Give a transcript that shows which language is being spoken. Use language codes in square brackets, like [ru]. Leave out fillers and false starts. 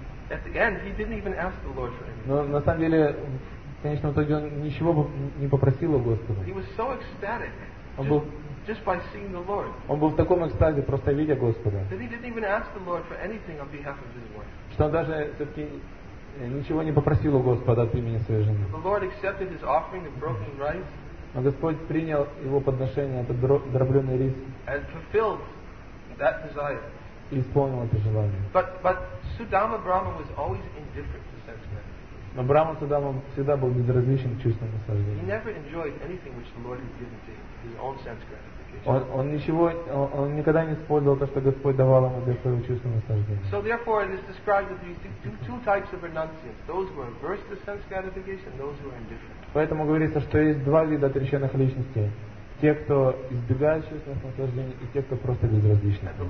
[en] At the end, he didn't even ask the Lord for anything. [ru] Но на самом деле, в конечном итоге, он ничего не попросил у Господа. [en] He was so ecstatic. [ru] Он был [en] just by seeing the Lord. [ru] Он был в таком экстазе, просто видя Господа. [en] That he didn't even ask the Lord for anything on behalf of his wife. [ru] Что он даже все-таки ничего не попросил у Господа от имени своей жены. [en] The Lord accepted his offering of broken rice. [ru] Но Господь принял его подношение, этот дробленый рис, [en] and fulfilled that desire. [ru] И исполнил это желание. [en] But Sudama Brahman was always indifferent to sense gratification. [ru] Но Брахман Судама всегда был безразличен к чувственным наслаждениям. [en] He never enjoyed anything which the Lord had given to him, his own sense gratification. [ru] Он никогда не использовал то, что Господь давал ему для своего чувственного наслаждения. [en] So therefore, it is described that there are two types of renunciants: those who are averse to sense gratification, those who are indifferent. [ru] Поэтому говорится, что есть два вида отреченных личностей. Те, кто избегает чувственных наслаждений, и те, кто просто безразличны.